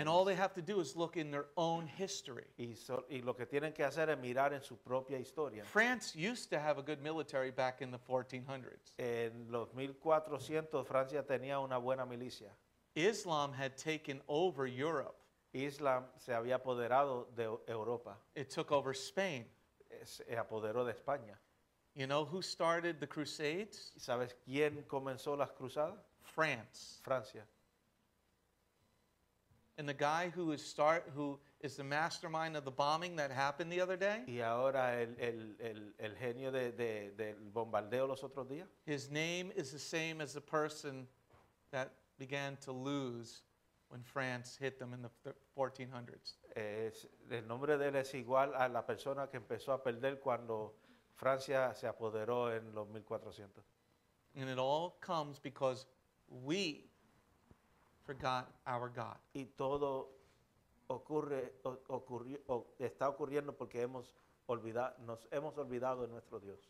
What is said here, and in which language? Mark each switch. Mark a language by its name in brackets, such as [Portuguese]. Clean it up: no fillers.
[English] And all they have to do is look in their own history. [Spanish] Y lo que tienen que hacer es mirar en su propia historia. [English] France used to have a good military back in the 1400s. [Spanish] En los 1400 Francia tenía una buena milicia. [English] Islam had taken over Europe. [Spanish] Islam se había apoderado de Europa. [English] It took over Spain. [Spanish] Se apoderó de España. [English] You know who started the Crusades? [Spanish] ¿Sabes quién comenzó las cruzadas? [English] France. [Spanish] Francia. [English] And the guy who is the mastermind of the bombing that happened the other day? [Spanish] Y ahora el genio del bombardeo los otros días? [English] His name is the same as the person that began to lose when France hit them in the 1400s. [Spanish] El nombre de él es igual a la persona que empezó a perder cuando Francia se apoderó en los 1400. [English] And it all comes because we forgot our God. [Spanish] Y todo está ocurriendo porque nos hemos olvidado de nuestro Dios.